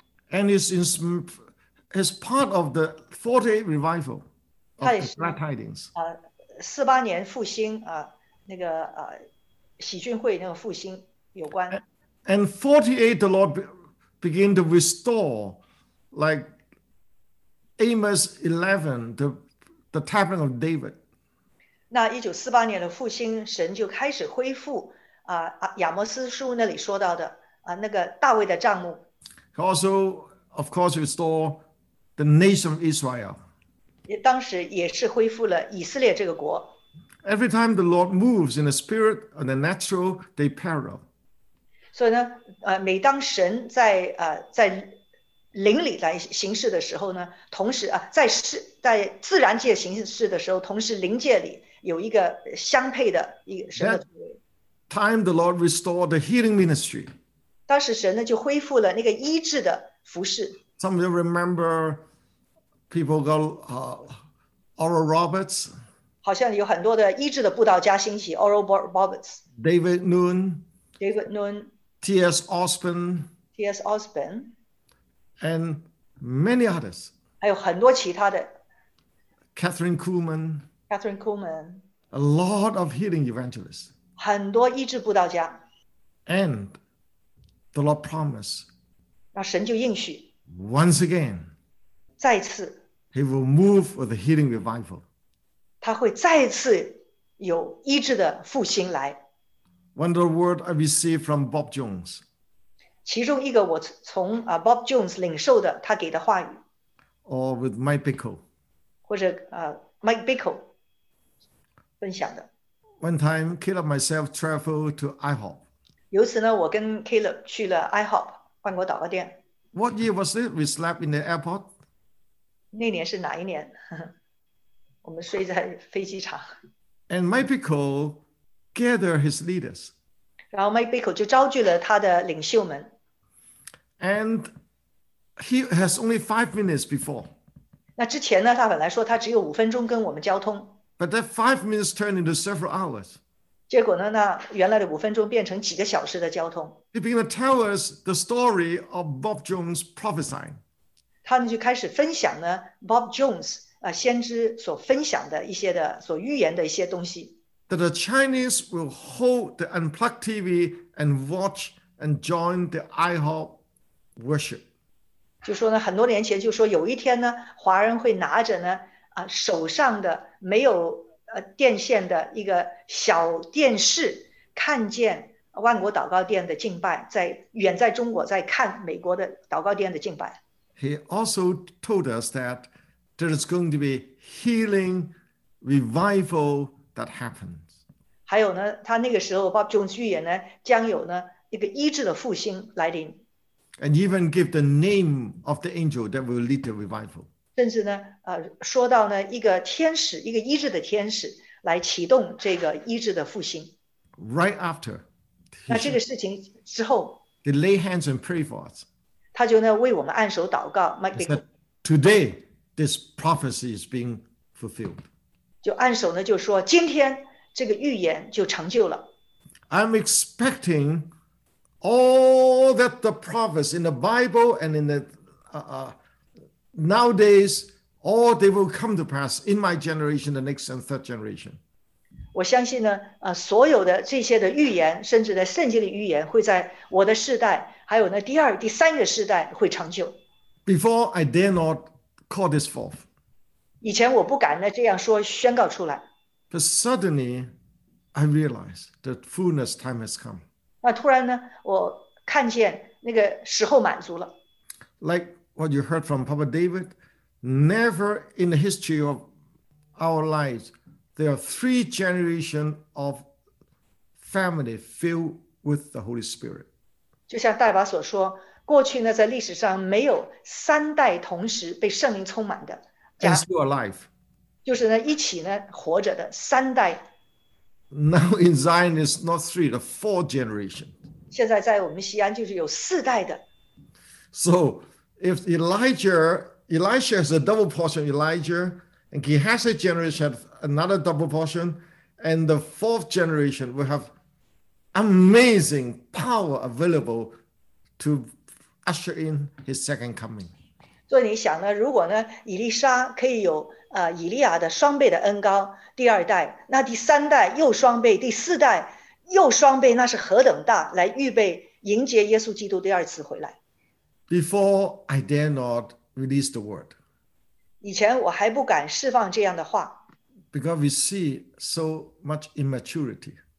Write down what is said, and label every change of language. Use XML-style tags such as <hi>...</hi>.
<en>And is part of the 48 revival. Glad tidings.</en> <zh>48年复兴那个喜讯会那个复兴有关。</zh> <en>And 48, the Lord began to restore, like Amos 11, the tabernacle of David.</en> <zh>那1948年的复兴，神就开始恢复亚摩斯书那里说到的那个大卫的帐幕。</zh> <en>He also, of course, restored the nation of Israel.</en> <zh>当时也是恢复了以色列这个国。</zh> <en>Every time the Lord moves in the spirit and the natural, they peril.</en> <zh>所以呢，每当神在灵里来行事的时候呢，同时在自然界行事的时候，同时灵界里有一个相配的一个神的。</zh> <en>That time the Lord restored the healing ministry.</en> <zh>当时神呢就恢复了那个医治的服事。</zh> <en>Some of you remember. People call Oral Roberts.</en> <zh>好像有很多的医治的布道家兴起 ，Oral Roberts.</zh> <en>David Noon. David Noon. T.S. Osborn. T.S. Osborn. And many others.</en> <zh>还有很多其他的。</zh> <en>Catherine Kuhlman. Catherine Kuhlman. A lot of healing evangelists.</en> <zh>很多医治布道家。</zh> <en>And the Lord promised.</en> <zh>那神就应许。</zh> <en>Once again.</en> <zh>再次</zh> <en>He will move with the healing revival.</en> <zh>他会再次有医治的复兴来。</zh> <en>One of the words I received from Bob Jones.</en> <zh>其中一个我从 Bob Jones 领受的他给的话语。</zh> <en>Or with Mike Bickle.</en> <zh>或者 Mike Bickle 分享的。</zh> <en>One time, Caleb myself traveled to IHOP.</en> <zh>由此呢，我跟 Caleb 去了 IHOP 万国祷告店。</zh> <en>What year was it? We slept in the airport.</en> <zh>那年是哪一年？我们睡在飞机场。</zh> <en>And Mike Bickle gathered his leaders.</en> <zh>然后 Mike Bickle 就招聚了他的领袖们。</zh> <en>And he has only 5 minutes before.</en> <zh>那之前呢，他本来说他只有5分钟跟我们交通。</zh> <en>But that 5 minutes turned into several hours.</en> <zh>结果呢，那原来的五分钟变成几个小时的交通。</zh> <en>He began to tell us the story of Bob Jones prophesying.</en> <zh>他们就开始分享呢 ，Bob Jones 先知所分享的一些的所预言的一些东西。</zh> <en>That the Chinese will hold the unplugged TV and watch and join the IHOP worship.</en> <zh>就说呢，很多年前就说有一天呢，华人会拿着呢手上的没有电线的一个小电视，看见万国祷告殿的敬拜，在远在中国在看美国的祷告殿的敬拜。</zh> <en>He also told us that there is going to be healing revival that happens.</en> <zh>还有呢，他那个时候 Bob Jones 预言呢，将有呢一个医治的复兴来临。</zh> <en>And even give the name of the angel that will lead the revival.</en> <zh>甚至呢，说到呢一个天使，一个医治的天使来启动这个医治的复兴。</zh> <en>Right after.</en> <zh>那这个事情之后。</zh> <en>They lay hands and pray for us.</en> <zh>他就呢为我们按手祷告。</zh> <en>He said, "Today, this prophecy is being fulfilled."</en> <zh>就按手呢就说今天这个预言就成就了。</zh> <en>I'm expecting all that the prophets in the Bible and in the nowadays all they will come to pass in my generation, the next and third generation.</en> <zh>我相信呢，所有的这些的预言，甚至在圣经的预言，会在我的世代。还有呢，第二、第三个世代会成就。</zh> <en>Before I dare not call this forth，</en> <zh>以前我不敢呢这样说宣告出来。</zh> <en>But suddenly I realize the fullness time has come。</en> <zh>那突然呢，我看见那个时候满足了。</zh> <en>Like what you heard from Papa David, never in the history of our lives there are three generations of family filled with the Holy Spirit.</en> <zh>就像戴巴所说，过去呢，在历史上没有三代同时被圣灵充满的。</zh> <en>And still alive.</en> <zh>就是呢，一起呢活着的三代。</zh> <en>Now in Zion is not three, the four generation.</en> <zh>现在在我们西安就是有四代的。</zh> <en>So if Elisha has a double portion, Elijah and Gehazi generation have another double portion, and the fourth generation will have. Amazing power available to usher in his second coming.</en> <zh>所以你想呢，如果呢，以利沙可以有以利亚的双倍的恩膏，第二代，那第三代又双倍，第四代又双倍，那是何等大，来预备迎接耶稣基督第二次回来。</zh> <en>Before I dare not release the word.</en> <zh>以前我还不敢释放这样的话。</zh> <en>Because we see so much immaturity.</en>